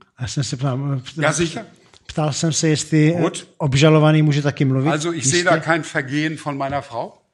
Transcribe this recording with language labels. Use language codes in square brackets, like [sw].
[cs] A já jsem se ptal. [de] Ja, sicher. [cs] Ptal jsem se, jestli obžalovaný může taky mluvit. [de] Also ich sehe da kein Vergehen von meiner Frau.